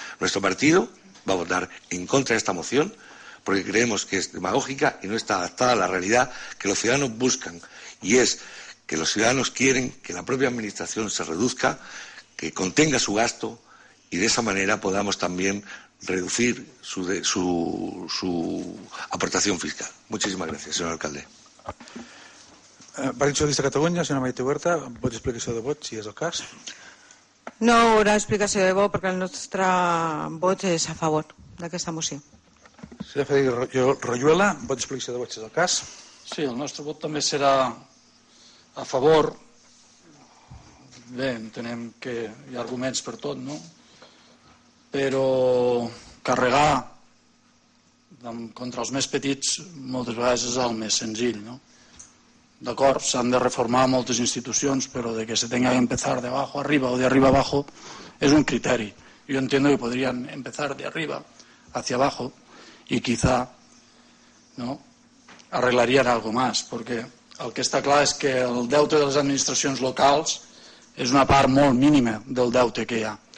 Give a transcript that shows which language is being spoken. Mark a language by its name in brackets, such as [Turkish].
[Spanish] Nuestro partido va a votar en contra de esta moción porque creemos que es demagógica y no está adaptada a la realidad que los ciudadanos buscan. Y es que los ciudadanos quieren que la propia administración se reduzca, que contenga su gasto y de esa manera podamos también reducir su aportación fiscal. Muchísimas gracias, señor alcalde. [Catalan] Partit Socialista de Catalunya, senyora Maite Huerta, vot d'explicació de vot, si és el cas. No hi haurà explicació de vot perquè el nostre vot és a favor d'aquesta moció. Senyor Federico Royuela, vot d'explicació de vot, si és el cas. Sí, el nostre vot també serà a favor. Bé, entenem que hi ha arguments per tot, no? Però carregar contra els més petits moltes vegades és el més senzill, no? D'acord, s'han de reformar moltes institucions, però [Spanish] de que se tenga que empezar de abajo arriba o de arriba abajo [Catalan] és un criteri. [Spanish] Jo entiendo que podrien empezar de arriba hacia abajo i quizá, no? [Catalan] Arreglarien [Spanish] algo más, [Catalan] perquè el que està clar és que el deute de les administracions locals és una part molt mínima del deute que hi ha.